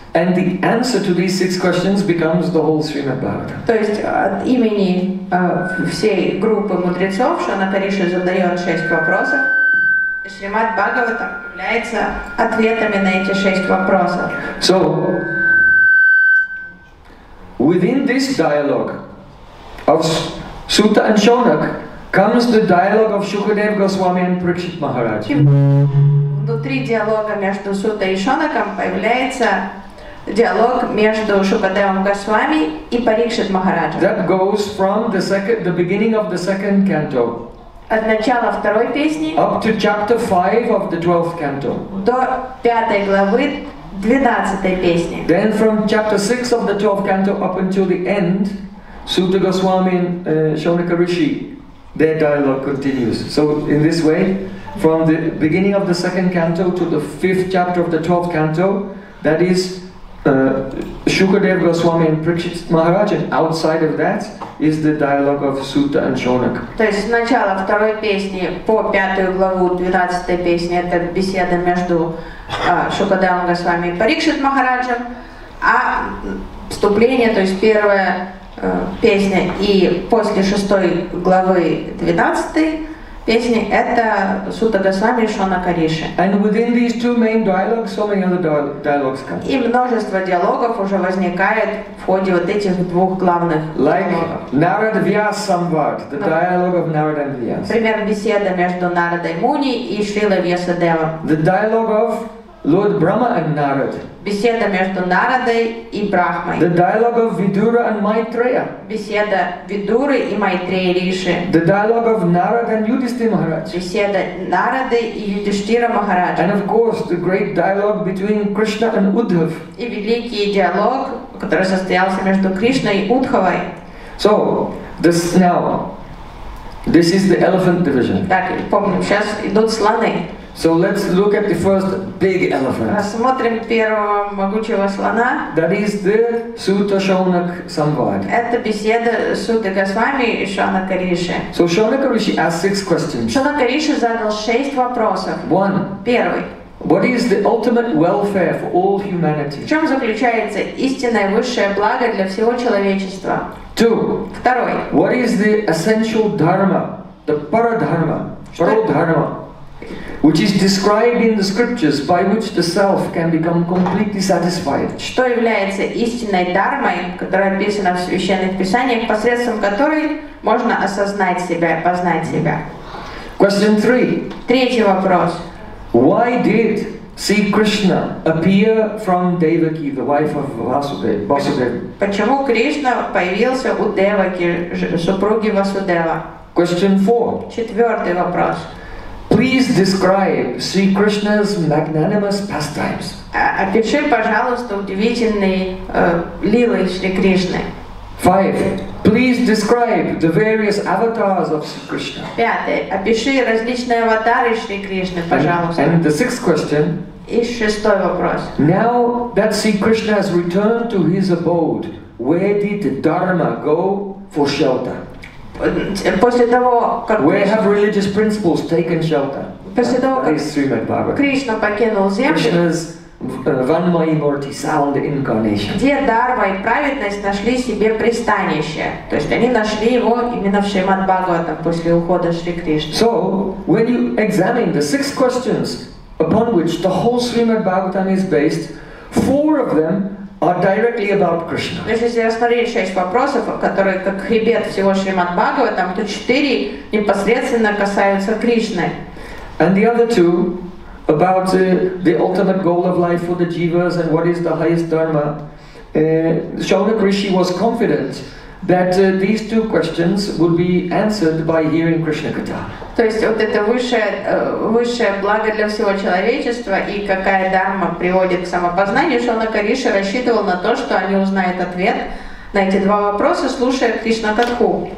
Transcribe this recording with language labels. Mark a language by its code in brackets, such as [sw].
[en] And the answer to these 6 questions becomes the whole Srimad Bhagavatam. [ru] То есть от имени всей группы мудрецов Шаунака Риши задает 6 вопросов, и Шримад Бхагаватам является ответами на эти 6 вопросов. [en] So, within this dialogue of Sutta and Shaunak comes the dialogue of Shukadeva Goswami and Parikshit Maharaj. [ru] Внутри диалога между Сутой и Шонаком появляется диалог между Шукадевом Госвами и Парикшит Махараджем. [en] That goes from the beginning of the second canto. [ru] От начала второй песни. [en] Up to chapter 5 of the 12th canto. [ru] До пятой главы 12-й песни. [en] Then from chapter 6 of the 12th canto up until the end, Sutta Goswami and Shaunaka Rishi, their dialogue continues. So in this way, from the beginning of the second canto to the fifth chapter of the 12th canto, that is Shukadev Goswami and Prakshit Maharaj, and outside of that is the dialogue of Sutta and Shonak. [ru] То есть начало второй песни по пятую главу 12-й песни — это беседа между Шукадевом Госвами и Парикшит Махараджем, а вступление, то есть первая песня и после шестой главы 12-й песни — это Сутта Госвами и Шонака Риши. [en] And within these two main dialogues, so many other dialogues come. [ru] И множество диалогов уже возникает в ходе вот этих двух главных диалогов. [en] Narada Vyas Samvad, the dialogue of Narada and Vyas. [ru] Например, беседа между Нарадой Муни и Шрилой Вьясадевом. [en] The dialogue of Lord Brahma and Narada. [ru] Беседа между Нарадой и Брахмой. [en] The dialogue of Vidura and Maitreya. [ru] Беседа Видуры и Майтрея Риши. [en] The dialogue of Narada and Yudhishthira Maharaj. [ru] Беседа Нарады и Юдхиштхира Махараджа. [en] And of course, the great dialogue between Krishna and Uddhav. [ru] И великий диалог, который состоялся между Кришной и Удхавой. [en] So, this now, this is the elephant division. [ru] Так, помним, сейчас идут слоны. [en] So let's look at the first big elephant. [ru] Рассмотрим первого могучего слона. [en] That is the Sutta Shonak Samvad. [ru] Это беседа Сутты Госвами и Шонака Риши. [en] So Shonaka Rishi asked 6 questions. [ru] Шонака Риши задал 6 вопросов. [en] One. [ru] Первый. [en] What is the ultimate welfare for all humanity? [ru] В чем заключается истинное высшее благо для всего человечества? [en] Two. [ru] Второй. [en] What is the essential dharma, the paradharma, parodharma? Which is described in the scriptures by which the self can become completely satisfied. [ru] Что является истинной дхармой, которая описана в священных писаниях, посредством которой можно осознать себя, познать себя? [en] Question 3. [ru] Третий вопрос. [en] Why did Sri Krishna appear from Devaki, the wife of Vasudeva? [ru] Почему Кришна появился у Деваки, супруги Васудева? [en] Question 4. [ru] Четвёртый вопрос. [en] Please describe Sri Krishna's magnanimous pastimes. [ru] Опиши, пожалуйста, удивительные лилы Шри Кришны. [en] 5. Please describe the various avatars of Sri Krishna. [ru] Пятый. Опиши различные аватары Шри Кришны, пожалуйста. [en] And the sixth question. [ru] И шестой вопрос. [en] Now that Sri Krishna has returned to his abode, where did the Dharma go for shelter? [ru] После того, как [en] Where have religious principles taken shelter? [ru] После того, как Кришна покинул землю, где дарма и праведность нашли себе пристанище, то есть они нашли его именно в Шримад Бхагаватам после ухода Шри Кришны. [en] So, when you examine the six questions upon which the whole Srimad Bhagavatam is based, four of them are directly about Krishna. [ru] То есть, если рассмотреть шесть вопросов, которые как хребет всего Шримад Бхагаватам, то четыре непосредственно касаются Кришны. [en] And the other two about the ultimate goal of life for the jivas and what is the highest dharma. Shonak Rishi was confident that these two questions would be answered by hearing Krishna Katha. [ru] То есть вот это высшее благо для всего человечества и какая дхарма приводит к самопознанию, Шонака Риши рассчитывал на то, что они узнают ответ на эти два вопроса, слушая Кришна Катху.